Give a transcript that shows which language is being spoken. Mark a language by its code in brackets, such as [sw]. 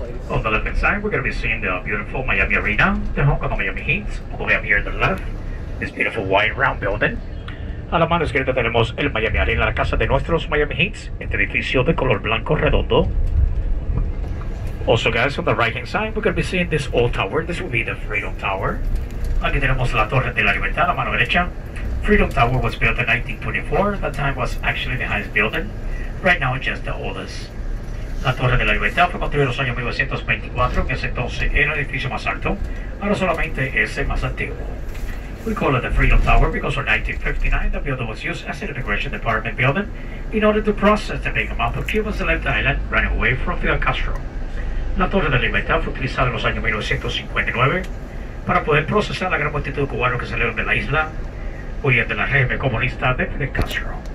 [en] On the left hand side, we're going to be seeing the beautiful Miami Arena, the home of the Miami Heat, all the way up here on the left, this beautiful white round building. [es] A la mano izquierda tenemos el Miami Arena, la casa de nuestros Miami Heat, este edificio de color blanco redondo. [en] Also guys, on the right hand side, we're going to be seeing this old tower, this will be the Freedom Tower. [es] Aquí tenemos la Torre de la Libertad, a la mano derecha. [en] Freedom Tower was built in 1924, that time was actually the highest building, right now just the oldest. [es] La Torre de la Libertad fue construida en los años 1924, que en ese entonces era el edificio más alto, ahora solamente es el más antiguo. [en] We call it the Freedom Tower because in 1959 the building was used as an immigration department building in order to process the big amount of Cubans that left the island running away from Fidel Castro. [es] La Torre de la Libertad fue utilizada en los años 1959 para poder procesar a la gran multitud de cubanos que salieron de la isla huyendo del régimen comunista de Fidel Castro.